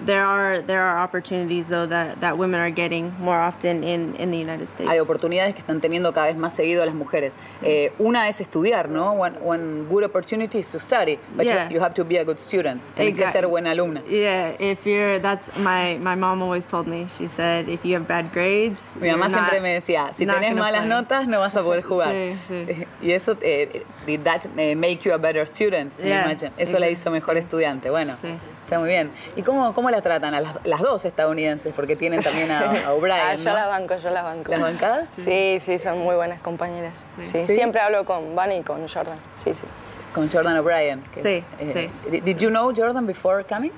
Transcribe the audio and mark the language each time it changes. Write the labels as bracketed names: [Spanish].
[English] There are opportunities though that women are getting more often in the United States. [Spanish] Hay oportunidades que están teniendo cada vez más seguido las mujeres. Una es estudiar, ¿no? [English] One good opportunity is to study, but yeah. You have to be a good student. [Spanish] Tienes que ser buena alumna. [English] Yeah, that's my mom always told me. She said if you have bad grades, [Spanish] mi mamá siempre me decía, si tenés malas notas, no vas a poder jugar. Sí, sí. Y eso, [English] did that make you a better student? Yeah, [Spanish] eso le hizo mejor estudiante. Bueno, sí. Está muy bien. ¿Y cómo la tratan a las dos estadounidenses? Porque tienen también a O'Brien, ¿no? Yo la banco, yo la banco. ¿Las bancadas? Sí, sí, son muy buenas compañeras. Sí. ¿Sí? Siempre hablo con Vanny y con Jordan. Sí, sí. Con Jordan O'Brien. Sí, sí. [English] Did you know Jordan before coming?